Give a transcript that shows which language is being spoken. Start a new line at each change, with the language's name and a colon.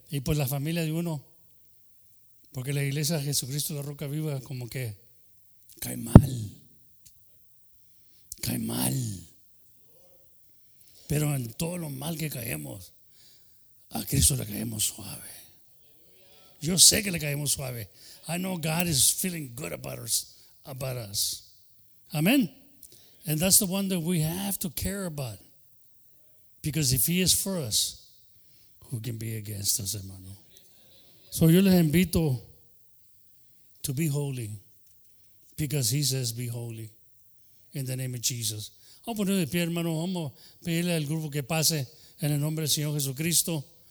Spanish: Y por la familia de uno. Porque la iglesia de Jesucristo, la roca viva, como que cae mal. Cae mal. Pero en todo lo mal que caemos, a Cristo le caemos suave. Yo sé que le caemos suave.
English: I know God is feeling good about us. Amen. And that's the one that we have to care about. Because if he is for us, who can be against us, hermano? So
Spanish: yo les invito
English: to be holy, because he says be holy in the name of Jesus.
Spanish: Vamos a ponernos de pie, hermano. Vamos a pedirle al grupo que pase en el nombre del Señor Jesucristo.